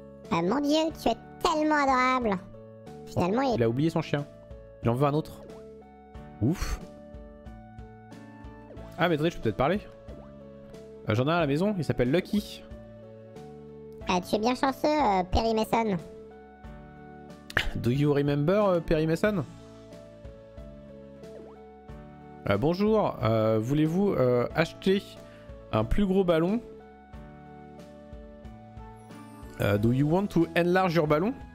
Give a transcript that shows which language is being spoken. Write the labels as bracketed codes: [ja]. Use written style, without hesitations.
[fr] Mon dieu, tu es tellement adorable. Finalement, il a oublié son chien. Il en veut un autre. Ouf. Ah, mais attendez, je peux peut-être parler. J'en ai un à la maison, il s'appelle Lucky. Tu es bien chanceux, Perry Mason. [en] Do you remember Perry Mason? [fr] Bonjour, voulez-vous acheter un plus gros ballon? [en] Do you want to enlarge your ballon?